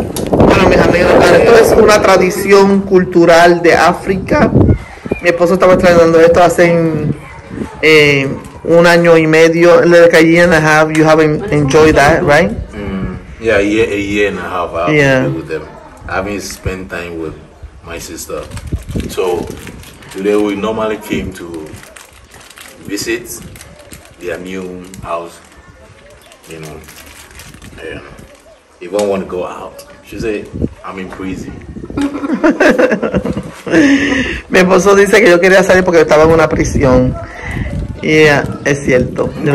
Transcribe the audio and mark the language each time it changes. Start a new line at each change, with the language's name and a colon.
Spanish: Bueno, mis amigos, esto es una tradición cultural de África. Mi esposo estaba trayendo esto hace un año y medio.
English: Like a year and a half, you have enjoyed that, right? Yeah, a year and a half. I've been with them. I haven't spent time with my sister. So today we normally came to visit their new house. You know, and if I want to go out, she said, I'm in prison.
Spanish: Mi esposo dice que yo quería salir porque estaba en una prisión. Yeah, es cierto.